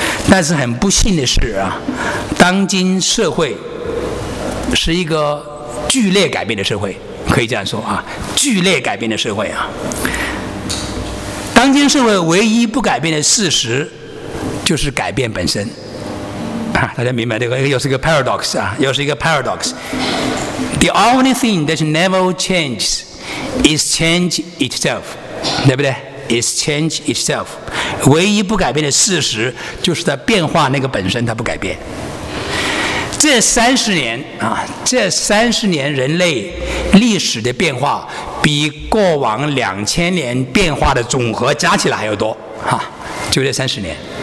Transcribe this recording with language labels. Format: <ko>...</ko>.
<zh>但是很不幸的是啊，当今社会是一个剧烈改变的社会，可以这样说啊，剧烈改变的社会啊。当今社会唯一不改变的事实就是改变本身啊，大家明白这个又是一个 paradox 啊，又是一个 paradox。</zh> <en>The only thing that never changes is change itself，</en> <zh>对不对？</zh> <en>Is change itself。</en> <zh>唯一不改变的事实就是在变化那个本身它不改变。这三十年啊，这三十年人类历史的变化比过往两千年变化的总和加起来还要多啊，就这三十年。</zh>